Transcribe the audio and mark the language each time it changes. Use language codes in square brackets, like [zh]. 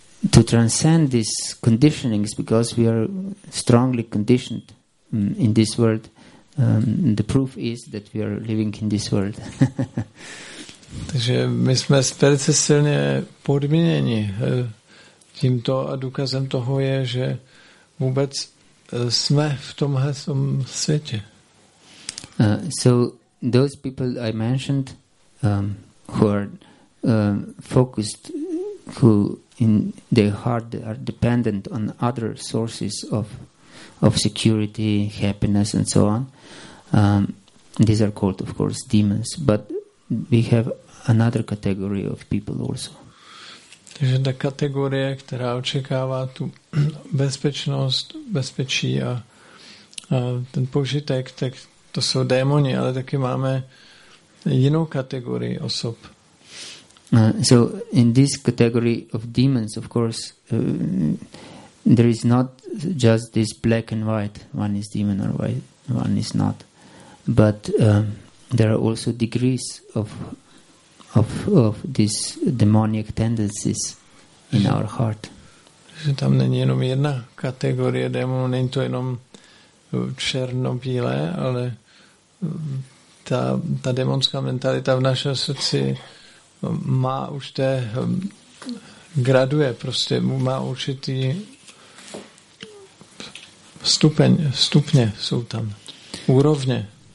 [en] To transcend these conditionings, because we are strongly conditioned in this world, the proof is that we are living in this world. [cs] Takže my jsme velice silně podmíněni tímto a důkazem toho je, že vůbec jsme v tomhle světě. [en] So those people I mentioned who are focused, who in their heart are dependent on other sources of security, happiness and so on. These are called, of course, demons. But we have another category of people also. [cs] Takže ta kategorie, která očekává tu bezpečnost, bezpečí a ten požitek, tak to jsou démoni, ale taky máme jinou kategorii osob. [en] So in this category of demons, of course, there is not just this black and white, one is demon or white, one is not. But there are also degrees of these demonic tendencies in our heart. [cs] Že tam není jenom jedna kategorie démonů, není to jenom černobílé, ale ta demonská mentalita v našem srdci má už té graduje, prostě má určitý stupně jsou tam, úrovně.